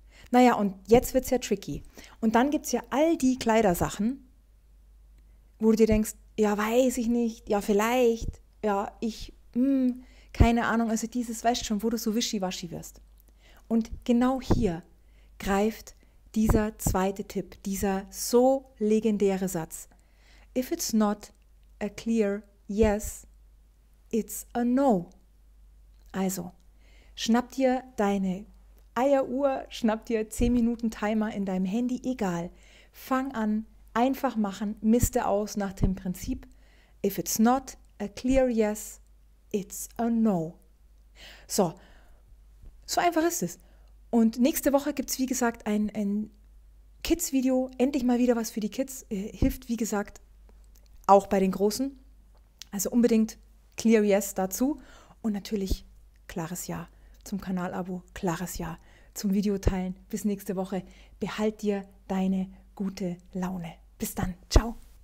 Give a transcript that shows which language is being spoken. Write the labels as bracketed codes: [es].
[de] Naja, und jetzt wird es ja tricky. Und dann gibt es ja all die Kleidersachen, wo du dir denkst, ja, weiß ich nicht, ja, vielleicht, ja, keine Ahnung. Also dieses, weißt schon, wo du so wischiwaschi wirst. Und genau hier greift dieser zweite Tipp, dieser so legendäre Satz. [en] If it's not a clear yes, it's a no. [de] Also, schnapp dir deine Eieruhr, schnapp dir 10 Minuten Timer in deinem Handy, egal. Fang an, einfach machen, miste aus nach dem Prinzip. [en] If it's not a clear yes, it's a no. [de] So, so einfach ist es. Und nächste Woche gibt es, wie gesagt, ein Kids-Video. Endlich mal wieder was für die Kids. Hilft, wie gesagt, auch bei den Großen. Also unbedingt Clear Yes dazu. Und natürlich klares Ja zum Kanalabo, klares Ja zum Videoteilen. Bis nächste Woche. Behalt dir deine gute Laune. Bis dann. Ciao.